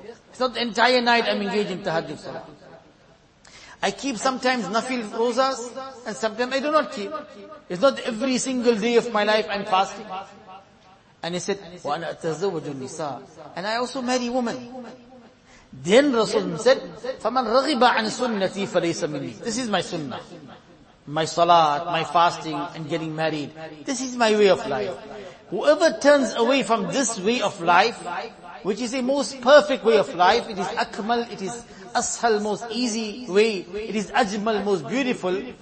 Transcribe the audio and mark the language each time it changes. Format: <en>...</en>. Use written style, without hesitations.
<en>It's not the entire night I'm engaged in tahajjud salah. I keep sometimes nafil rozas and sometimes I do not keep. It's not every single day of my life I'm fasting." And he said,</en> <ar>"وَأَنَا أَتَزَوَّجُ النِّسَاءِ.</ar> <en>And I also marry women." Then Rasulullah said,</en> <ar>فَمَنْ رَغِبَ عَنْ سُنَّةِ فَلَيْسَ مِنِّي.</ar> <en>This is my sunnah. My salat, my fasting, and getting married. This is my way of life. Whoever turns away from this way of life, which is a most perfect way of life, it is akmal, it is ashal, most easy way, it is ajmal, most beautiful.</en>